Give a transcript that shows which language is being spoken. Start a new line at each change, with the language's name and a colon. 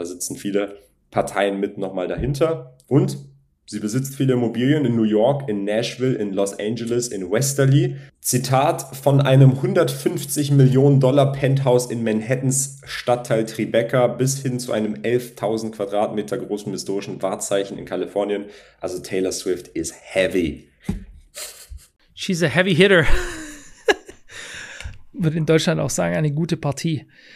German: Da sitzen viele Parteien mit nochmal dahinter und sie besitzt viele Immobilien in New York, in Nashville, in Los Angeles, in Westerly. Zitat von einem 150 Millionen Dollar Penthouse in Manhattans Stadtteil Tribeca bis hin zu einem 11.000 Quadratmeter großen historischen Wahrzeichen in Kalifornien.
English: Also Taylor Swift is heavy. She's a heavy hitter.
German: Wird in Deutschland auch sagen, eine gute Partie.